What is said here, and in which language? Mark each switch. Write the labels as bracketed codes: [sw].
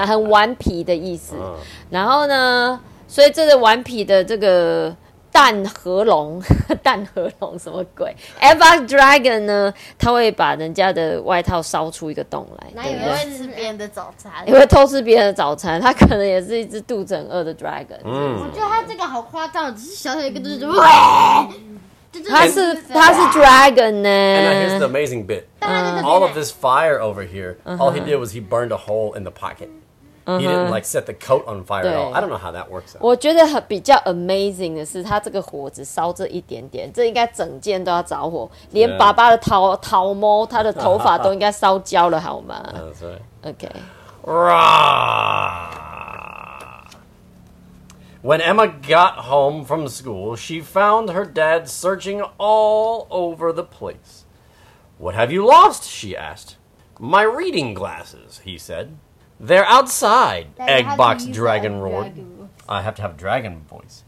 [zh] yeah 很顽皮的意思。然后呢，所以这个顽皮的这个蛋和龙，蛋和龙什么鬼 ？Eggbox Dragon 呢，他会把人家的外套烧出一个洞来，那也会吃别人的早餐，也会偷吃别人的早餐。他可能也是一只肚子很饿的 dragon。我觉得他这个好夸张，只是小小一个肚子。他是 dragon 呢。 [en] And here's the amazing bit. All of this fire over here, all he did was he burned a hole in the pocket. He didn't like set the coat on fire at all. I don't know how that works out. [zh] 我觉得比较 amazing 的是，他这个火只烧这一点点，这应该整件都要着火，连爸爸的桃毛，他的头发都应该烧焦了，好吗 [en] ？That's right. Okay. When Emma got home from school, she found her dad searching all over the place. What have you lost? She asked. My reading glasses, he said. They're outside, Eggbox Dragon roared. I have to have dragon voice.